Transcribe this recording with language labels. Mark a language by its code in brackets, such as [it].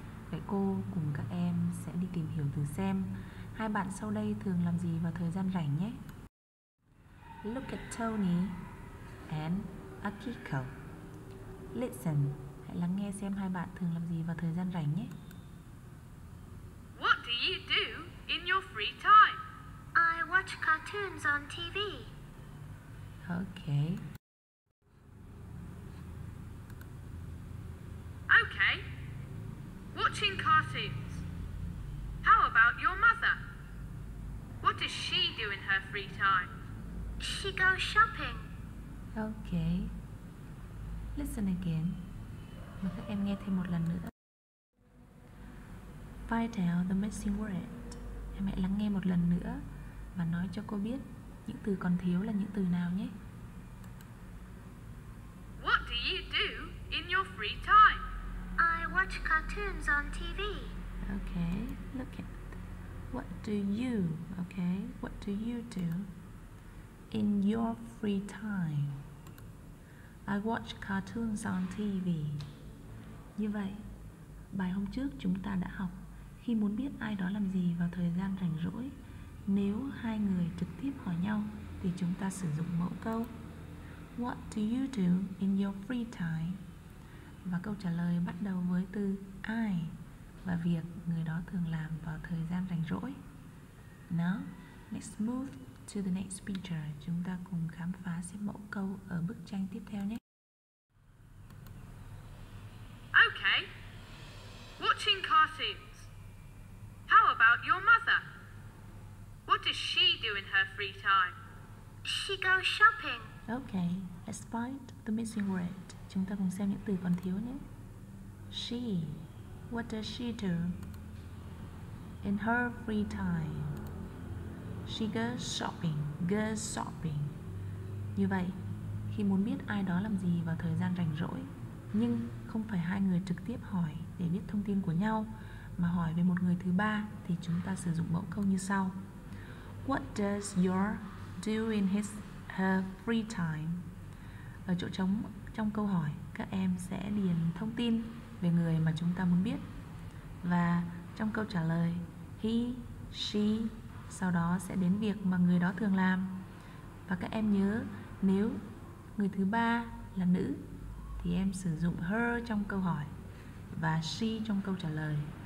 [vi] Vậy cô cùng các em sẽ đi tìm hiểu thử xem hai bạn sau đây thường làm gì vào thời gian rảnh nhé. [en] Look at Tony and Akiko. [vi] Listen, hãy lắng nghe xem hai bạn thường làm gì vào thời gian rảnh nhé. [en] What do you do in your free time? I watch cartoons on TV. Okay. Okay. Watching cartoons. How about your mother? What does she do in her free time? She goes shopping. Okay. Listen again. [vi] Mời các em nghe thêm một lần nữa. [en] Find out the missing word. [vi] Em hãy lắng nghe một lần nữa và nói cho cô biết những từ còn thiếu là những từ nào nhé. [en] What do you do in your free time? I watch cartoons on TV. Okay, look at what do you, okay? What do you do in your free time? I watch cartoons on TV. [vi] Như vậy, bài hôm trước chúng ta đã học khi muốn biết ai đó làm gì vào thời gian rảnh rỗi, nếu hai người trực tiếp hỏi nhau thì chúng ta sử dụng mẫu câu [en] What do you do in your free time? [vi] Và câu trả lời bắt đầu với từ ai và việc người đó thường làm vào thời gian rảnh rỗi. [en] Now, let's move to the next picture. [vi] Chúng ta cùng khám phá xem mẫu câu ở bức tranh tiếp theo nhé. [en] Okay, watching cartoons. How about your mother? What does she do in her free time? She goes shopping. Okay, let's find the missing word. [vi] Chúng ta cùng xem những từ còn thiếu nhé. [en] She, what does she do in her free time? She goes shopping. Goes shopping. [vi] Như vậy, khi muốn biết ai đó làm gì vào thời gian rảnh rỗi, nhưng không phải hai người trực tiếp hỏi để biết thông tin của nhau, mà hỏi về một người thứ ba, thì chúng ta sử dụng mẫu câu như sau. [en] What does your do in his her free time? [vi] Ở chỗ trống trong câu hỏi, các em sẽ điền thông tin về người mà chúng ta muốn biết. Và trong câu trả lời, he, she, Sau đó sẽ đến việc mà người đó thường làm. Và các em nhớ, nếu người thứ ba là nữ thì em sử dụng her trong câu hỏi và she trong câu trả lời.